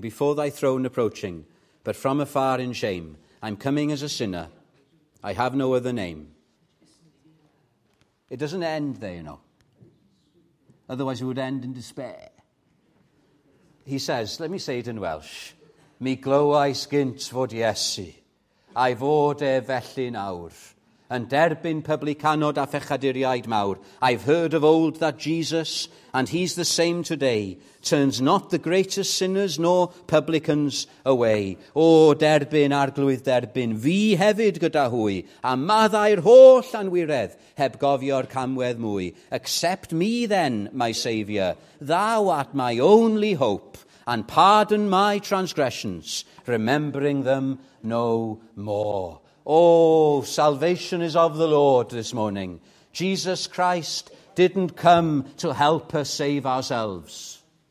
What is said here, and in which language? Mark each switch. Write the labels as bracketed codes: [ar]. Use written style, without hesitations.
[en] Before thy throne approaching, but from afar in shame, I'm coming as a sinner. I have no other name. It doesn't end there, you know. Otherwise, it would end in despair. He says, let me say it in Welsh. [cy] Mi glywais gynt fod Iesu, a'i fod e felly nawr, yn derbyn publicanod a phechaduriaid mawr. [en] I've heard of old that Jesus, and he's the same today, turns not the greatest sinners nor publicans away. [cy] O derbyn arglwydd derbyn, fi hefyd gyda hwy, a maddai'r holl anwiredd heb gofio'r camwedd mwy. [en] Accept me then, my Saviour, thou art my only hope, and pardon my transgressions, remembering them no more. Oh, salvation is of the Lord this morning. Jesus Christ didn't come to help us save ourselves.